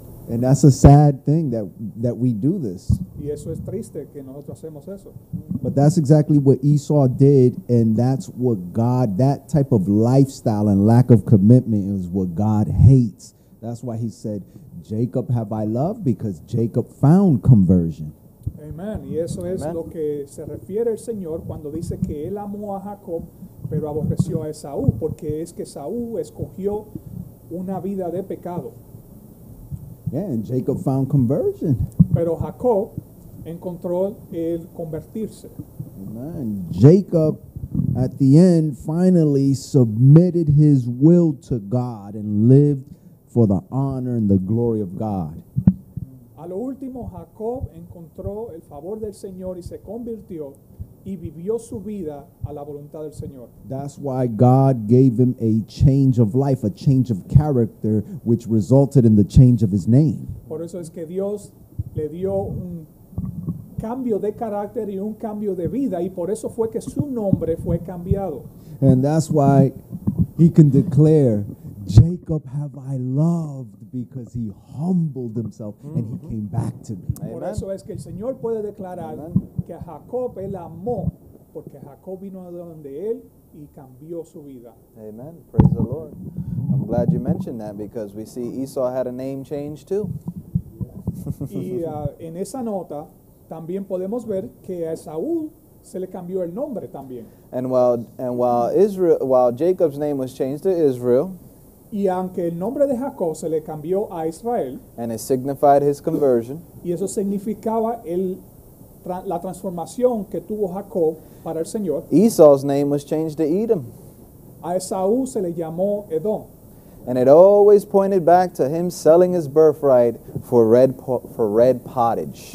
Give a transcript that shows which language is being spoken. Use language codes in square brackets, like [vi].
[en] And that's a sad thing that we do this. [es] Y eso es triste que nosotros hacemos eso. [en] But that's exactly what Esau did, and that's what God, that type of lifestyle and lack of commitment is what God hates. That's why he said, Jacob have I loved, because Jacob found conversion. Amen. [es] Y eso es Amen. Lo que se refiere el Señor cuando dice que él amó a Jacob, pero aborreció a Esaú, porque es que Esaú escogió una vida de pecado. [en] Yeah, and Jacob found conversion. [es] Pero Jacob encontró el convertirse. [en] Amen. Jacob, at the end, finally submitted his will to God and lived for the honor and the glory of God. [es] A lo último, Jacob encontró el favor del Señor y se convirtió y vivió su vida a la voluntad del Señor. [en] That's why God gave him a change of life, a change of character, which resulted in the change of his name. [es] Por eso es que Dios le dio un cambio de carácter y un cambio de vida, y por eso fue que su nombre fue cambiado. [en] And that's why he can declare, Jacob have I loved, because he humbled himself and he came back to me. Amen. [es] Por eso es que el Señor puede declarar, amen, que Jacob él amó, porque Jacob vino a donde él y cambió su vida. [en] Amen. Praise the Lord. I'm glad you mentioned that, because we see Esau had a name change too. [es] En esa nota también podemos ver que a Saúl se le cambió el nombre también. [en] And while Jacob's name was changed to Israel, [es] y aunque el nombre de Jacob se le cambió a Israel, [en] and it signified his conversion, [es] y eso significaba la transformación que tuvo Jacob para el Señor, [en] Esau's name was changed to Edom. [es] A Esaú se le llamó Edom. [en] And it always pointed back to him selling his birthright for red pottage.